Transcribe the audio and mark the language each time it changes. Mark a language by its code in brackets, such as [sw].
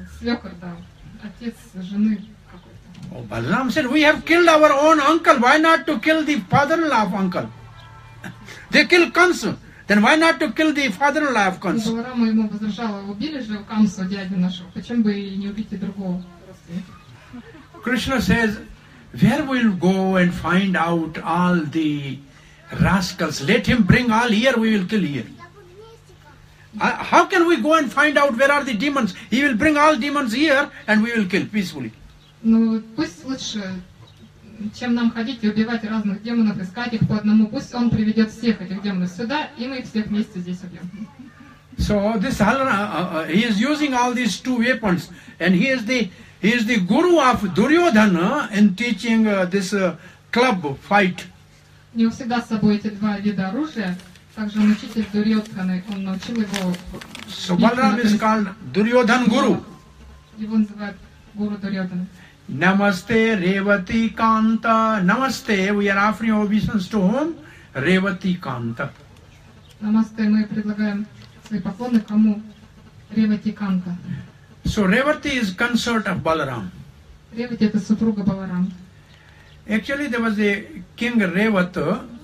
[ru] Свёкор, да. Отец жены какой-то. [en] Oh, Balaram said, we have killed our own uncle. Why not to kill the father-in-law of uncle? They kill Kansa. Then why not to kill the father-in-law of Kansa? [ru] Balarama ему возражала. Убили же Кансу, дядю нашего. Почему бы не убить и другого? [en] Krishna says, where will go and find out all the rascals? Let him bring all here, we will kill here. How can we go and find out where are the demons? He will bring all demons here and we will kill peacefully. [ru] Ну, пусть лучше, чем нам ходить и убивать разных демонов, искать их по одному. Пусть он приведет всех этих демонов сюда, и мы их всех вместе здесь убьем. [en] So this Halana, he is using all these two weapons. And he is the guru of Duryodhana in teaching this club fight. [ru] У него всегда с собой эти два вида оружия. Также он учитель Дурьодханы, он научил его... [en] So Balaram is called Duryodhan Guru. [ru] Его называют Гуру Дурьодхана. [en] Namaste Revati Kanta. Namaste, we are offering obeisance to whom? Revati Kanta. [ru] Namaste, мы предлагаем свои поклоны кому? Revati Kanta. [en] So Revati is consort of Balaram. [ru] Revati – это супруга Баларам. [en] Actually, there was a king Revati.